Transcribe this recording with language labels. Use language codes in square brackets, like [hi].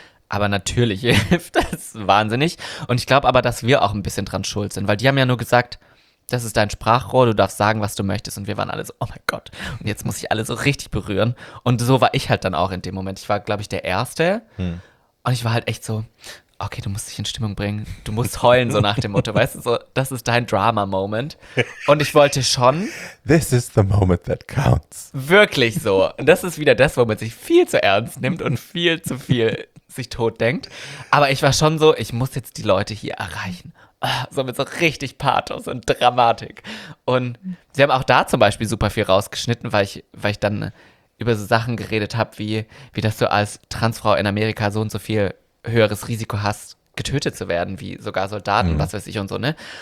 [de] Aber natürlich hilft das wahnsinnig. Und ich glaube aber, dass wir auch ein bisschen dran schuld sind, weil die haben ja nur gesagt, das ist dein Sprachrohr, du darfst sagen, was du möchtest. Und wir waren alle so, oh mein Gott, und jetzt muss ich alle so richtig berühren. Und so war ich halt dann auch in dem Moment. Ich war, glaube ich, der Erste. Und ich war halt echt so, okay, du musst dich in Stimmung bringen. Du musst heulen, so nach dem Motto, weißt du, so, das ist dein Drama-Moment. Und ich wollte schon. [en] This is the moment that counts. [de] Wirklich so. Und das ist wieder das, wo man sich viel zu ernst nimmt und viel zu viel sich tot denkt. Aber ich war schon so, ich muss jetzt die Leute hier erreichen. So mit so richtig Pathos und Dramatik. Und sie haben auch da zum Beispiel super viel rausgeschnitten, weil ich dann über so Sachen geredet habe, wie dass du als Transfrau in Amerika so und so viel höheres Risiko hast, getötet zu werden, wie sogar Soldaten, was weiß ich und so, ne?